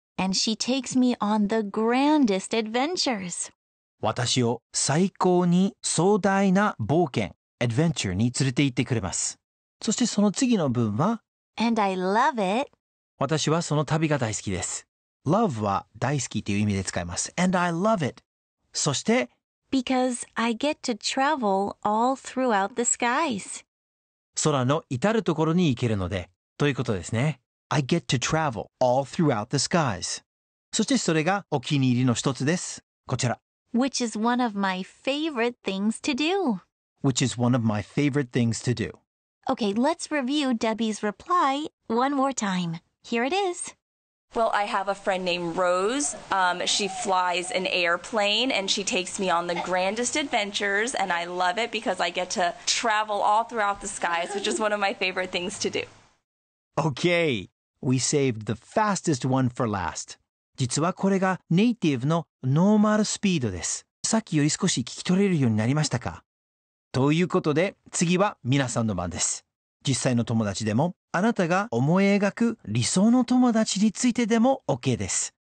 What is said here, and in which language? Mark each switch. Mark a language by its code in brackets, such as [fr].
[en] And she takes me on the grandest adventures. [ja] 私を最高に壮大な冒険、adventure に連れて行ってくれます。そしてその次の文は、 [en] And I love it. [ja] 私はその旅が大好きです。 Love は大好きという意味で使います。 [en] And I love it. [ja] そして [en] Because I get to travel all throughout the skies. [ja] 空の至るところに行けるのでということですね。 [en] I get to travel all throughout the skies. [ja] そしてそれがお気に入りの一つです。こちら [en] Which is one of my favorite things to do. Which is one of my favorite things to do. Okay, let's review Debbie's reply one more time. Here it is. Well, I have a friend named Rose. She flies an airplane and she takes me on the grandest adventures and I love it because I get to travel all throughout the skies, which is one of my favorite things to do. Okay, we saved the fastest one for last. [ja] 実はこれがネイティブのノーマルスピードです。さっきより少し聞き取れるようになりましたか？ということで、次は皆さんの番です。実際の友達でも、あなたが思い描く理想の友達についてでも OK です。